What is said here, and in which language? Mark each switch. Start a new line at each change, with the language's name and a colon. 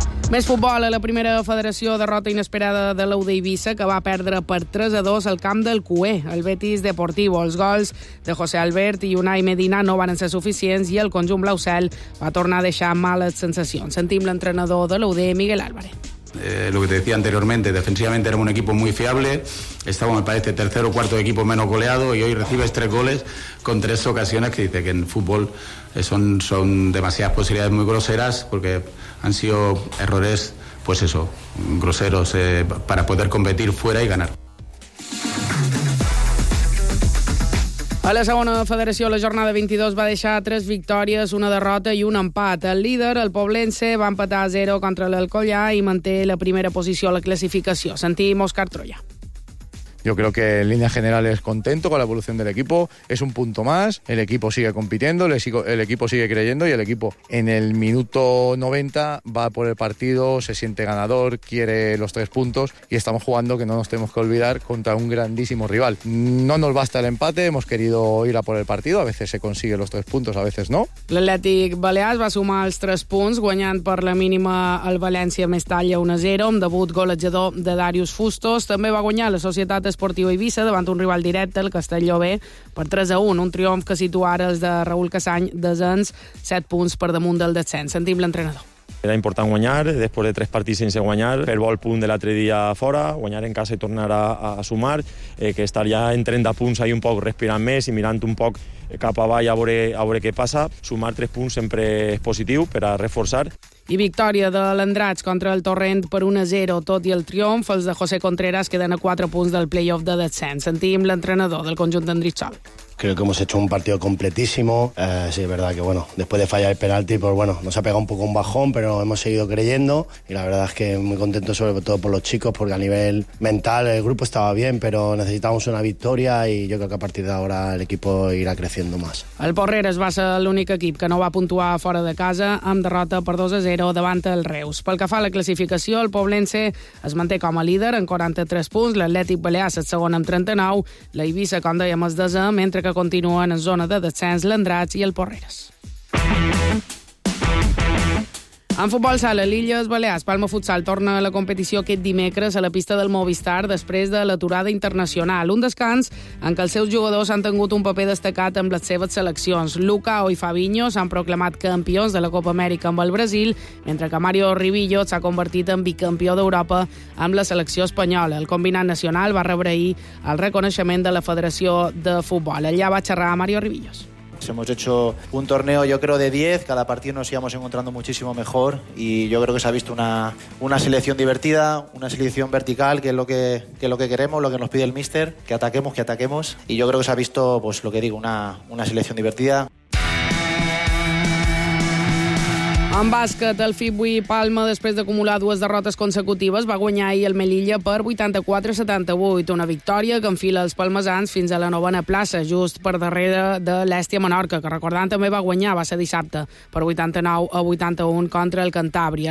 Catalan: Més futbol. A la primera federació, derrota inesperada de l'U d'Eivissa, que va perdre per 3-2 al camp del Cué, el Betis Deportivo. Els gols de José Albert i Unai Medina no van ser suficients i el conjunt blau-cel va tornar a deixar males sensacions. Sentim l'entrenador de l'UD, Miguel Álvarez.
Spanish: Lo que te decía anteriormente, defensivamente era un equipo muy fiable, estaba, me parece, tercer o cuarto equipo menos goleado, y hoy recibes 3 goles con 3 ocasiones que dice que en fútbol son demasiadas posibilidades muy groseras, porque han sido errores, pues eso, groseros, para poder competir fuera y ganar.
Catalan: A la segona federació, la jornada 22 va deixar 3 victòries, 1 derrota i 1 empat. El líder, el Poblense, va empatar a 0 contra l'Alcoyà i manté la primera posició a la classificació. Sentim Òscar Troya.
Spanish: Yo creo que en línea general es contento con la evolución del equipo, es un punto más, el equipo sigue compitiendo, el equipo sigue creyendo y el equipo en el minuto 90 va por el partido, se siente ganador, quiere los 3 puntos y estamos jugando, que no nos tenemos que olvidar, contra un grandísimo rival. No nos basta el empate, hemos querido ir a por el partido, a veces se consigue los 3 puntos, a veces no.
Catalan: L'Atlètic Balears va sumar els 3 punts, guanyant per la mínima el València Mestalla 1-0, amb debut golejador de Darius Fustos. També va guanyar la Societat Esportiu Eivissa davant un rival directe, el Castelló B, per 3-1. Un triomf que situa ara els de Raúl Cassany desens 7 punts per damunt del descens. Sentim l'entrenador. Era important guanyar, després de 3 partits sense guanyar, fer bo el punt de l'altre dia fora, guanyar en casa i tornar a sumar, que estaria en 30 punts ahí un poc respirant més i mirant un poc cap avall a veure què passa. Sumar 3 punts sempre és positiu per a reforçar. I victòria de l'Andratx contra el Torrent per 1-0. Tot i el triomf, els de José Contreras queden a 4 punts del play-off de descens. Sentim l'entrenador del conjunt d'Andritxol.
Spanish: Creo que hemos hecho un partido completísimo. Sí, es verdad que, bueno, después de fallar el penalti, pues bueno, nos ha pegado un poco un bajón, pero hemos seguido creyendo. Y la verdad es que muy contento, sobre todo por los chicos, porque a nivel mental el grupo estaba bien, pero necesitábamos una victoria y yo creo que a partir de ahora el equipo irá creciendo más.
Catalan: El Porreres va ser l'únic equip que no va puntuar fora de casa amb derrota per 2-0 davant el Reus. Pel que fa a la classificació, el Poblense es manté com a líder en 43 punts, l'Atlètic Balears és segon amb 39, l'Eivissa, com dèiem, és desè, mentre que continuen en zona de descens l'Andratx i el Porreres. En futbol sala, l'Illes Balears Palma Futsal torna a la competició aquest dimecres a la pista del Movistar després de l'aturada internacional. Un descans en què els seus jugadors han tingut un paper destacat amb les seves seleccions. Lucao i Fabinho s'han proclamat campions de la Copa Amèrica amb el Brasil, mentre que Mario Rivillo s'ha convertit en bicampió d'Europa amb la selecció espanyola. El combinat nacional va rebre ahir el reconeixement de la Federació de Futbol. Allà va xerrar Mario Rivillo.
Spanish: Hemos hecho un torneo, yo creo, de 10. Cada partido nos íbamos encontrando muchísimo mejor y yo creo que se ha visto una selección divertida, una selección vertical, que es lo que queremos, lo que nos pide el míster, que ataquemos. Y yo creo que se ha visto, pues lo que digo, una selección divertida.
Catalan: En bàsquet, el Fibui Palma, després d'acumular dues derrotes consecutives, va guanyar ahir el Melilla per 84-78. Una victòria que enfila els palmesans fins a la novena plaça, just per darrere de l'Èstia Menorca, que recordant també va guanyar, va ser dissabte, per 89-81 contra el Cantabri.